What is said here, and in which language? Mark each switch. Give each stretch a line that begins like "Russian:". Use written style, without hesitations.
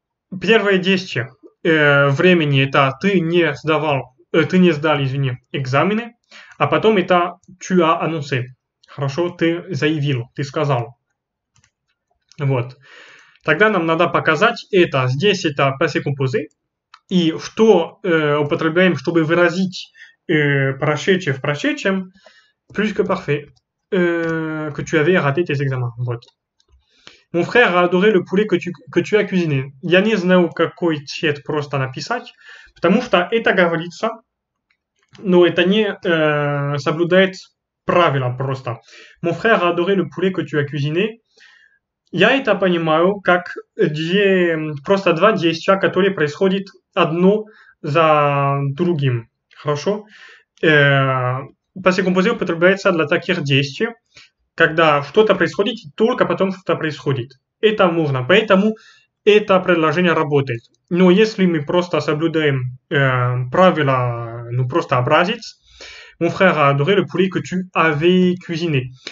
Russian: Первое действие времени это ты не сдал, извини, экзамены, а потом это
French: tu as annoncé.
Russian: Хорошо? Ты заявил, ты сказал. Вот. Тогда нам надо показать это. Здесь это passé composé. И что употребляем, чтобы выразить прошедшее в прошедшем?
French: Plus que parfait. Que tu avais raté tes examens. Вот. Mon frère a adoré le poulet que tu as cuisiné.
Russian: Я не знаю, какой цвет просто написать, потому что это говорится, но это не соблюдает правила просто.
French: Mon frère a adoré le poulet que tu as cuisiné.
Russian: Я это понимаю, как просто два действия, которые происходят одно за другим. Хорошо? Passé composé употребляется для таких действий, когда что-то происходит, и только потом что-то происходит. Это можно. Поэтому это предложение работает. Но если мы просто соблюдаем правила, ну просто образец,
French: mon frère a adoré le poulet que tu avais cuisiné.